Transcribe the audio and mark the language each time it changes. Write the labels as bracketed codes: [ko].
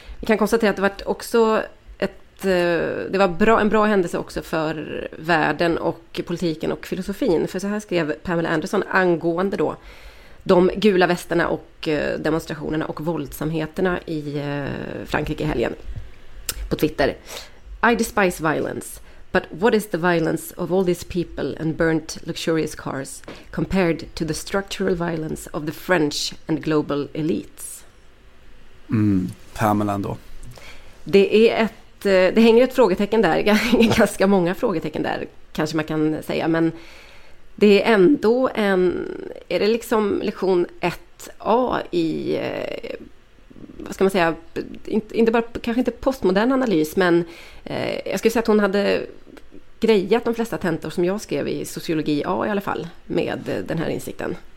[sv] Vi kan konstatera att det var också en bra händelse också för världen och politiken och filosofin. För så här skrev Pamela Anderson angående då de gula västerna och demonstrationerna och våldsamheterna i Frankrike i helgen på Twitter. [en] I despise violence, but what is the violence of all these people and burnt luxurious cars compared to the structural violence of the French and global elites? [sv] Mm, Pamela då. Det hänger ett frågetecken där, ganska många frågetecken där, kanske man kan säga, men det är ändå en, är det liksom lektion 1A i, vad ska man säga, inte bara, kanske inte postmodern analys, men jag skulle säga att hon hade grejat de flesta tentor som jag skrev i sociologi A i alla fall med den här insikten.